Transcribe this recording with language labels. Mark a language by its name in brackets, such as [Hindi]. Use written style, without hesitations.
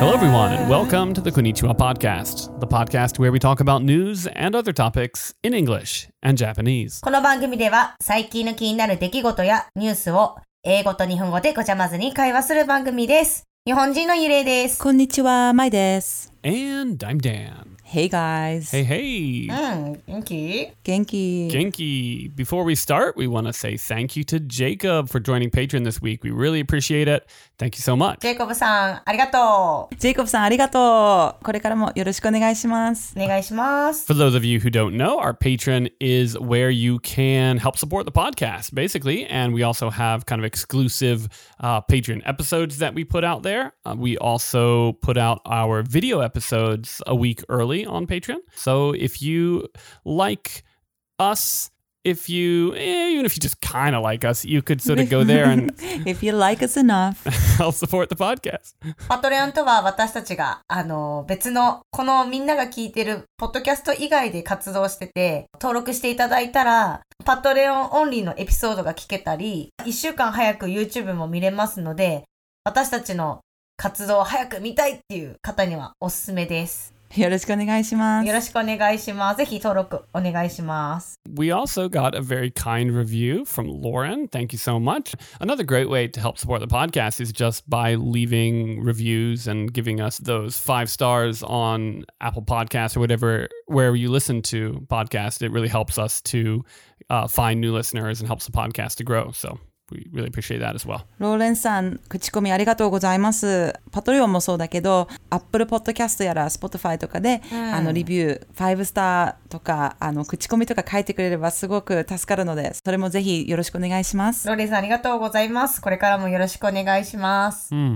[English] Hello everyone and welcome to the Konnichiwa Podcast, the podcast where we talk about news and other topics in English and Japanese. [Japanese] この番組では最近の気になる出来事やニュースを英語と日本語でごちゃまぜに会話する番組です。日本人のゆれいです。こんにちは、まいです。 [English] And I'm Dan. Hey guys. Hey, hey. [Japanese] Genki. [English] Before we start, we want to say thank you to Jacob for joining Patreon this week. We really appreciate it. Thank you so much. [Japanese] Jacob-san, arigato. Jacob-san, arigato. これからもよろしくお願いします。お願いします。 [English] For those of you who don't know, our Patreon is where you can help support the podcast, basically. And we also have kind of exclusive Patreon episodes that we put out there. We also put out our video episodes a week early on Patreon. So if you like us, even if you just kind of like us, you could sort of go there and if you like us enough, help support the podcast. [Japanese] Patreon とは私たちが別のこのみんなが聞いてるポッドキャスト以外で活動してて登録していただいたらパトレオンオンリーのエピソードが聞けたり1週間早く YouTube も見れますので私たちの活動を早く見たいっていう方にはおすすめです。よろしくお願いします。よろしくお願いします。ぜひ登録お願いします。 [English] We also got a very kind review from Lauren. Thank you so much. Another great way to help support the podcast is just by leaving reviews and giving us those 5 stars on Apple Podcasts or whatever, wherever you listen to podcasts. It really helps us to find new listeners and helps the podcast to grow. So. We really appreciate that as well. [Japanese] ローレンさん、口コミありがとうございます。パトリオンもそうだけど、Apple Podcast やら Spotify とかで、リビュー、5スターとか、口コミとか書いてくれればすごく助かるので、それもぜひよろしくお願いします。ローレンさん、ありがとうございます。これからもよろしくお願いします。